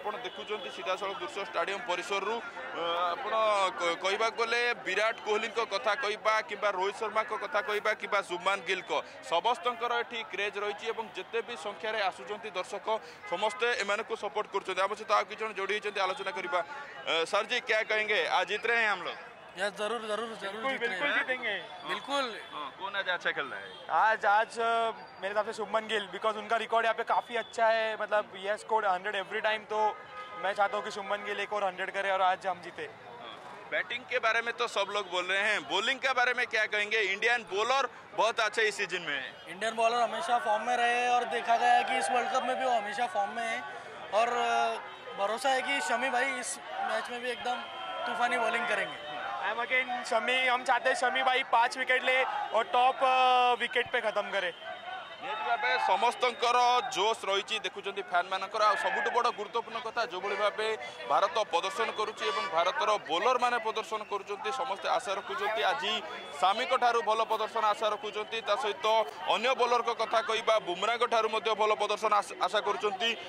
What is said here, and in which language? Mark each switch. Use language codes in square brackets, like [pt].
[or] ଆପଣ ଦେଖୁଛନ୍ତି ସିଧାସଳଖ ଦୃଶ୍ୟ ଷ୍ଟାଡିୟମ ପରିସରରୁ। ଆପଣ କହିବାକୁ ଗଲେ ବିରାଟ କୋହଲିଙ୍କ କଥା କହିବା କିମ୍ବା ରୋହିତ ଶର୍ମାଙ୍କ କଥା କହିବା କିମ୍ବା ଜୁମାନ ଗିଲ୍ଙ୍କ ସମସ୍ତଙ୍କର ଏଠି କ୍ରେଜ୍ ରହିଛି ଏବଂ ଯେତେ ବି ସଂଖ୍ୟାରେ ଆସୁଛନ୍ତି ଦର୍ଶକ ସମସ୍ତେ ଏମାନଙ୍କୁ ସପୋର୍ଟ କରୁଛନ୍ତି। ଆମ ସହିତ ଆଉ କିଛି ଜଣ ଯୋଡ଼ି ହୋଇଛନ୍ତି ଆଲୋଚନା କରିବା। [hi] सर जी क्या कहेंगे आज जीत रहे हैं हम लोग? यार जरूर जरूर जरूर बिल्कुल जीतेंगे बिल्कुल। कौन आज अच्छा खेल रहा है? आज मेरे हिसाब से शुभमन गिल, बिकॉज उनका रिकॉर्ड यहाँ पे काफी अच्छा है। मतलब ये [en] score 100 every time, [hi] तो मैं चाहता हूँ कि शुभमन गिल एक और 100 करे और आज हम जीते। बैटिंग के बारे में तो सब लोग बोल रहे हैं, बॉलिंग के बारे में क्या कहेंगे? इंडियन बॉलर बहुत अच्छे इस सीजन में है। इंडियन बॉलर हमेशा फॉर्म में रहे और देखा गया कि इस वर्ल्ड कप में भी वो हमेशा फॉर्म में है और भरोसा है कि शमी भाई इस मैच में भी एकदम तूफानी बॉलिंग करेंगे। एम अगेन शमी, हम चाहते हैं शमी भाई 5 विकेट ले और टॉप विकेट पे खत्म करे। [or] ସମସ୍ତଙ୍କର ଜୋଶ ରହିଛି ଦେଖୁଛନ୍ତି ଫ୍ୟାନ୍ ମାନଙ୍କର। ଆଉ ସବୁଠୁ ବଡ଼ ଗୁରୁତ୍ୱପୂର୍ଣ୍ଣ କଥା ଯେଉଁଭଳି ଭାବେ ଭାରତ ପ୍ରଦର୍ଶନ କରୁଛି ଏବଂ ଭାରତର ବୋଲର ମାନେ ପ୍ରଦର୍ଶନ କରୁଛନ୍ତି, ସମସ୍ତେ ଆଶା ରଖୁଛନ୍ତି ଆଜି ସାମିଙ୍କ ଠାରୁ ଭଲ ପ୍ରଦର୍ଶନ ଆଶା ରଖୁଛନ୍ତି। ତା ସହିତ ଅନ୍ୟ ବୋଲରଙ୍କ କଥା କହିବା, ବୁମ୍ରାଙ୍କ ଠାରୁ ମଧ୍ୟ ଭଲ ପ୍ରଦର୍ଶନ ଆଶା କରୁଛନ୍ତି।